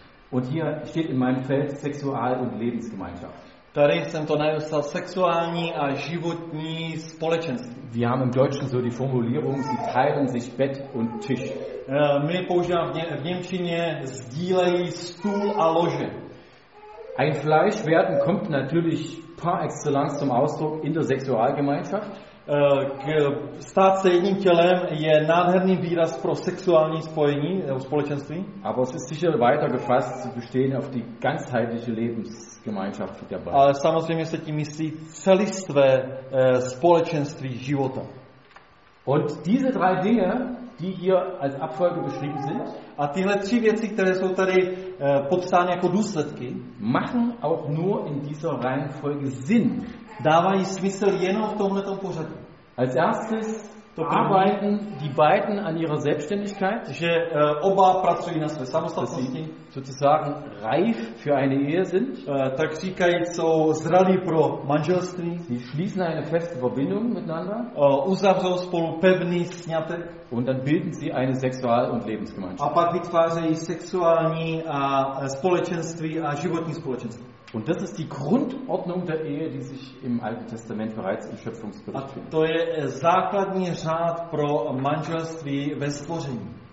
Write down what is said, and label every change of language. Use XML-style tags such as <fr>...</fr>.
<de>Und hier steht in meinem Feld Sexual- und Lebensgemeinschaft.</de> <cs>Tady jsem to nazval sexuální a životní společenství.</cs> <de>Wir haben im Deutschen so die Formulierung, sie teilen sich Bett und Tisch.</de> <cs>My používám v němčině sdílejí stůl a lože.</cs> <de>Ein Fleisch werden kommt natürlich par excellence zum Ausdruck in der Sexualgemeinschaft.</de> <cs>Stát se jedním tělem je nádherný výraz pro sexuální spojení nebo společenství.</cs> <de>Aber es ist sicher weiter gefasst zu bestehen auf die ganzheitliche Lebensgemeinschaft mit der Frau.</de> <cs>Ale samozřejmě se tím myslí celistvé společenství života.</cs> <de>Und diese drei Dinge, die hier als Abfolge beschrieben sind,</de> <cs>a tyhle tři věci, které jsou tady popsány jako důsledky,</cs> <de>machen auch nur in dieser Reihenfolge Sinn.</de> <cs>Dávají smysl jenom v tomhletom pořadu.</cs> <de>Als erstes</de> <cs>to první,</cs> <de>arbeiten die beiden an ihrer Selbstständigkeit,</de> <cs>že oba pracují na své samostatnosti,</cs> <de>sie, sozusagen reif für eine Ehe sind,</de> <cs>tak říkají, jsou zralí pro manželství,</cs> <de>sie schließen eine feste Verbindung miteinander,</de> <cs>uzavřou spolu pevný sňatek,</cs> <de>und dann bilden sie eine Sexual- und Lebensgemeinschaft.</de> <cs>A pak vytvářejí sexuální a společenství a životní společenství.</cs> <de>Und das ist die Grundordnung der Ehe, die sich im Alten Testament bereits im Schöpfungsbericht findet.</de> <cs>To je základní řád pro manželství ve stvoření.</cs>